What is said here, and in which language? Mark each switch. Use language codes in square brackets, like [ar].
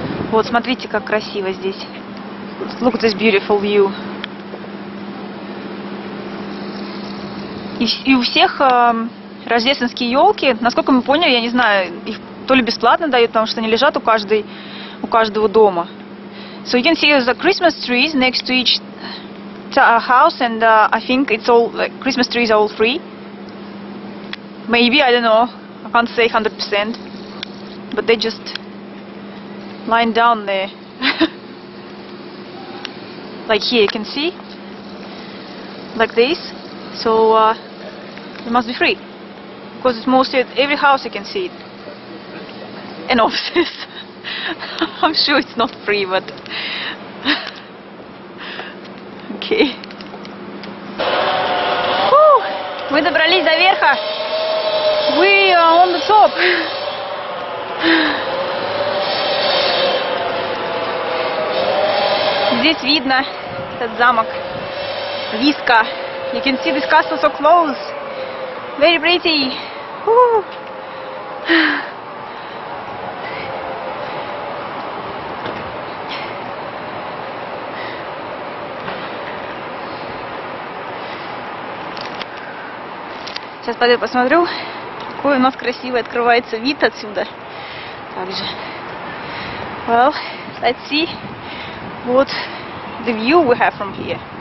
[ru] Вот, смотрите, как красиво здесь. [en] Look at this beautiful view. [ru] И у всех рождественские елки, насколько мы поняли, я не знаю, их то ли бесплатно дают, потому что они лежат у каждого дома. [en] So you can see there's a Christmas trees next to each house, and I think it's all Christmas trees are all free. Maybe, I don't know. I can't say 100%. But they just lying down there. Like here, you can see. Like this. So, it must be free. Because it's mostly at every house you can see it. And offices. I'm sure it's not free, but... Okay. Whew! Мы добрались до верха! We are on the top! [ru] Здесь видно этот замок Виска. [en] You can see this castle so close. Very pretty. Woo. [ru] Сейчас пойду посмотрю, какой у нас красивый открывается вид отсюда. Также. [en] Well, let's see what the view we have from here.